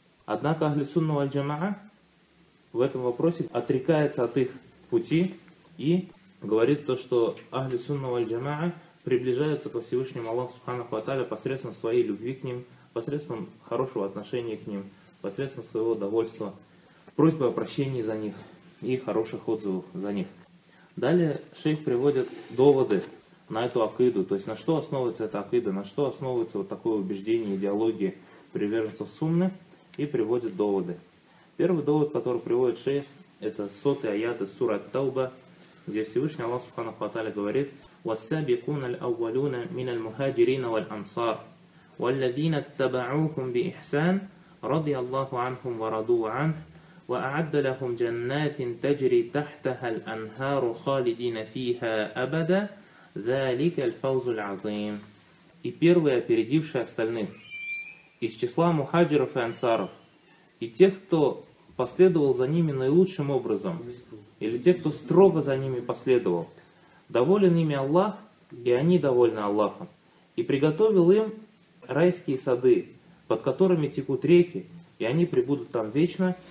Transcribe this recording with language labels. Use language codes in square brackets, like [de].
[ru] Однако Ахли Сунна валь-Джамаа в этом вопросе отрекается от их пути и говорит то, что Ахли Сунна валь-Джамаа приближаются ко Всевышнему Аллаху Субханаху ва Тааля посредством своей любви к ним, посредством хорошего отношения к ним, посредством своего довольства, просьбы о прощении за них и хороших отзывов за них. Далее шейх приводит доводы на эту акиду, то есть на что основывается эта акида, на что основывается вот такое убеждение, идеология приверженцев сунны, и приводит доводы. Первый довод, который приводит шейх, это сотый аят из суры Ат-Тауба, где Всевышний Аллах Субханаху ва Тааля говорит: [ar] والسابقون الأولون من المهاجرين والأنصار والذين اتبعوهم بإحسان رضي الله عنهم ورضوا عنه وأعد لهم جنات تجري تحتها الأنهار خالدين فيها أبدا ذلك الفوز العظيم. [ru] И первые, опередившие остальных, из числа мухаджиров и ансаров, и тех, кто последовал за ними наилучшим образом, или тех, кто строго за ними последовал. Доволен ими Аллах, и они довольны Аллахом. И приготовил им райские сады, под которыми текут реки, и они пребудут там вечно.